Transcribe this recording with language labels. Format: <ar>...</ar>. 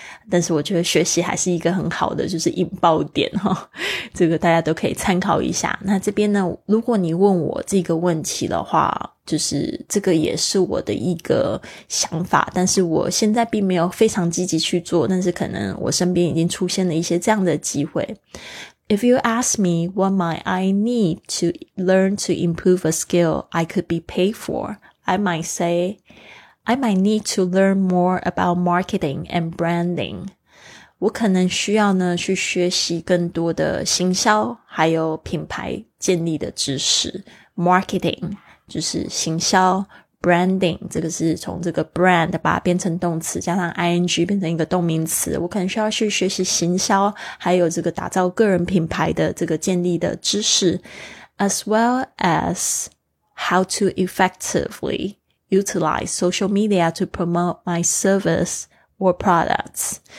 <zh>但是我觉得学习还是一个很好的就是引爆点、哦、这个大家都可以参考一下。那这边呢，如果你问我这个问题的话，就是这个也是我的一个想法，但是我现在并没有非常积极去做，但是可能我身边已经出现了一些这样的机会。</zh> <en>If you ask me what might I need to learn to improve a skill I could be paid for, I might need to learn more about marketing and branding.</en> <zh>我可能需要呢去学习更多的行销还有品牌建立的知识。 Marketing 就是行销， Branding 这个是从这个 brand 把它变成动词加上 ing 变成一个动名词。我可能需要去学习行销还有这个打造个人品牌的这个建立的知识，</zh> <en>as well as how to effectivelyutilize social media to promote my service or products.</en>